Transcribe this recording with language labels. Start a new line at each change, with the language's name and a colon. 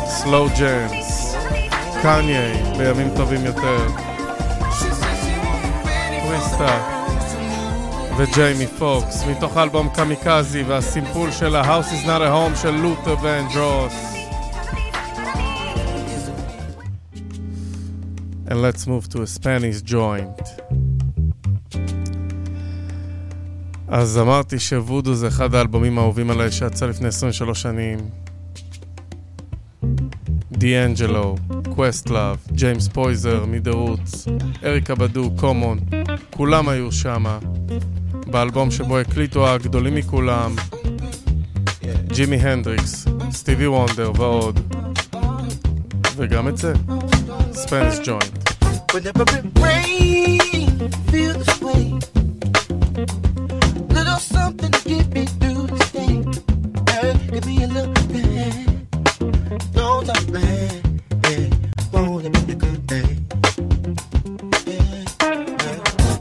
Hebrew: Slow jams, Kanye, בימים טובים יותר, טוויסטה וג'יימי פוקס, מתוך אלבום קמיקזי והסימפול של ה-House is not a home של לותר ונדרוס.
English: And let's move to a Spanish joint.
Hebrew: אז אמרתי שוודו זה אחד האלבומים האהובים עליי שיצא לפני 23 שנים. D'Angelo, Questlove, James Poyser, מדרוץ, אריקה בדו, קומון, כולם היו שם. באלבום שבו הקליטו הגדולים מכולם, ג'ימי הנדריקס, סטיבי וונדר ועוד. וגם את זה, Spanish Joint.
English: Whenever it rains, feel the sway. Little something to get me through this day. Give me a look at that. Don't talk bad, yeah. Won't it be a good day? Yeah, yeah.